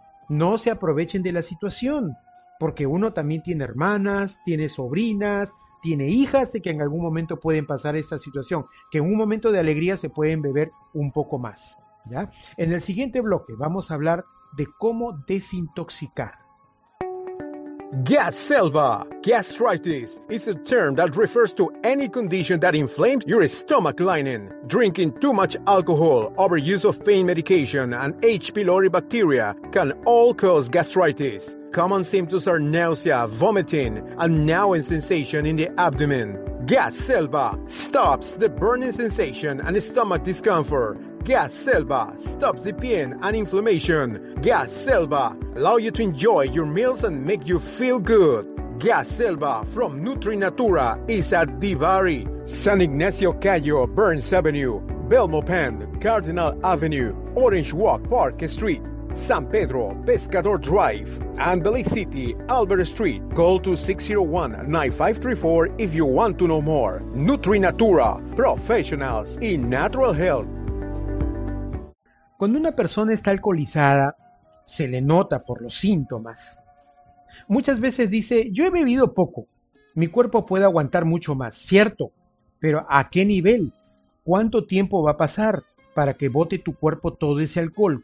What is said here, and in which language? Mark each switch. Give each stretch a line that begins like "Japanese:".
Spanish: No se aprovechen de la situación, porque uno también tiene hermanas, tiene sobrinas, tiene hijas y que en algún momento pueden pasar esta situación, que en un momento de alegría se pueden beber un poco más. ¿Ya? En el siguiente bloque vamos a hablar de cómo desintoxicar.
English: Gaselba, gastritis, is a term that refers to any condition that inflames your stomach lining. Drinking too much alcohol, overuse of pain medication, and H. pylori bacteria can all cause gastritis. Common symptoms are nausea, vomiting, and gnawing sensation in the abdomen. Gaselba stops the burning sensation and stomach discomfort. Gaselba stops the pain and inflammation. Gaselba allows you to enjoy your meals and make you feel good. Gaselba from Nutrinatura is at Divari, San Ignacio Cayo, Burns Avenue, Belmopan, Cardinal Avenue, Orange Walk Park Street, San Pedro, Pescador Drive, and Belize City, Albert Street. Call to 601-9534 if you want to know more. Nutrinatura, professionals in natural health.
Spanish: Cuando una persona está alcoholizada, se le nota por los síntomas. Muchas veces dice, yo he bebido poco, mi cuerpo puede aguantar mucho más, cierto, pero ¿a qué nivel? ¿Cuánto tiempo va a pasar para que bote tu cuerpo todo ese alcohol?